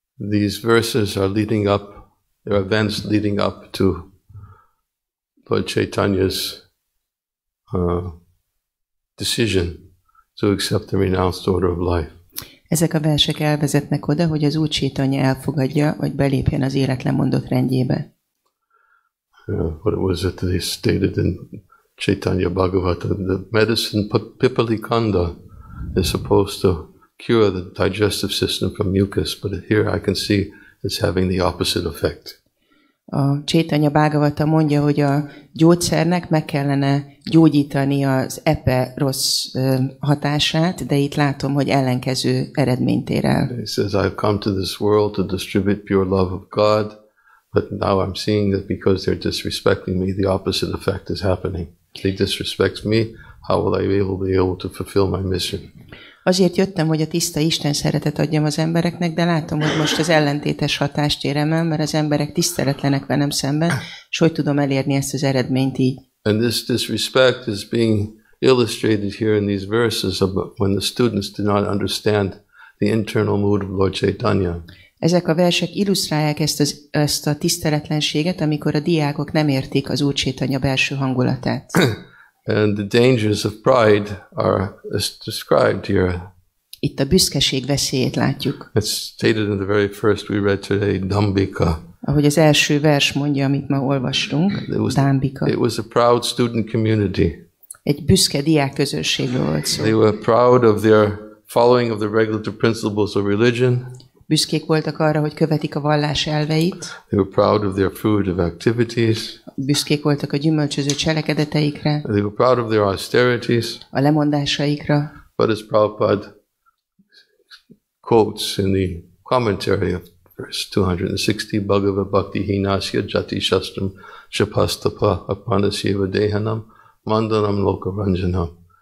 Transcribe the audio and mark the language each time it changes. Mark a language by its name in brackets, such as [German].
[English] These verses are leading up, there are events leading up to Lord Chaitanya's decision to accept the renounced order of life. [Hungarian] Ezek a versek elvezetnek oda, hogy az Úr Caitanya elfogadja, hogy belépjen az életlemondott rendjébe. [English] What was it that he stated in Caitanya Bhagavata? The medicine pipalikanda is supposed to cure the digestive system from mucus, but here I can see it's having the opposite effect. [Hungarian] A Caitanya Bhagavata mondja, hogy a gyógyszernek meg kellene gyógyítani az epe rossz hatását, de itt látom, hogy ellenkező eredményt ér el. [English] He says, I've come to this world to distribute pure love of God, But now I'm seeing that because they're disrespecting me, the opposite effect is happening. They disrespect me, how will I be able to fulfill my mission? [Hungarian] Azért jöttem, hogy a tiszta Isten szeretet adjam az embereknek, de látom, hogy most az ellentétes hatást érem el, mert az emberek tiszteletlenek velem szemben, és hogy tudom elérni ezt az eredményt így. [English] And this disrespect is being illustrated here in these verses of when the students do not understand the internal mood of Lord Caitanya. [Hungarian] Ezek a versek illusztrálják ezt a tiszteletlenséget, amikor a diákok nem értik az Úr Caitanya belső hangulatát. [English] And the dangers of pride are described here. [Hungarian] Itt a büszkeség veszélyét látjuk. [English] It's stated in the very first we read today, Dambika. [Hungarian] Ahogy az első vers mondja, amit ma olvastunk, Dambika. [English] It was a proud student community. [Hungarian] Egy büszke diák közösségről volt szó. [English] They were proud of their following of the regulative principles of religion. [Hungarian] Büszkék voltak arra, hogy követik a vallás elveit. [English] They were proud of their fruitive activities. [Hungarian] Büszkék voltak a gyümölcsöző cselekedeteikre. [English] They were proud of their austerities. [Hungarian] A lemondásaikra. [English] But as Prabhupada quotes in the commentary of verse 260, [Sanskrit] Bhagavad Bhakti Hinasya Jati Shastram Shapastapa Apanasiva Dehanam Mandanam Lokaranjanam.